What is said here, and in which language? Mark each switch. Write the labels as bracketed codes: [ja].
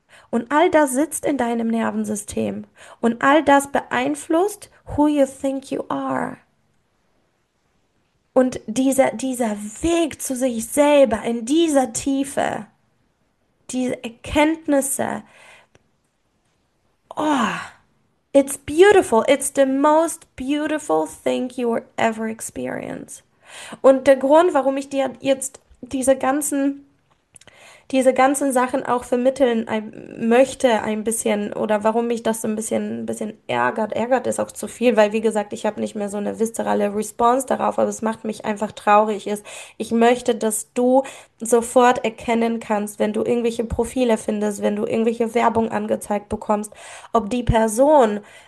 [de] Und all das sitzt in deinem Nervensystem. Und all das beeinflusst, who you think you are. Und dieser Weg zu sich selber in dieser Tiefe, diese Erkenntnisse, oh, it's beautiful. [en] It's the most beautiful thing you ever experience. [de] Und der Grund, warum ich dir jetzt diese ganzen Sachen auch vermitteln möchte, ein bisschen, oder warum mich das so ein bisschen ärgert ist auch zu viel, weil, wie gesagt, ich habe nicht mehr so eine viszerale Response darauf, aber es macht mich einfach traurig, ist, ich möchte, dass du sofort erkennen kannst, wenn du irgendwelche Profile findest, wenn du irgendwelche Werbung angezeigt bekommst, ob die Person,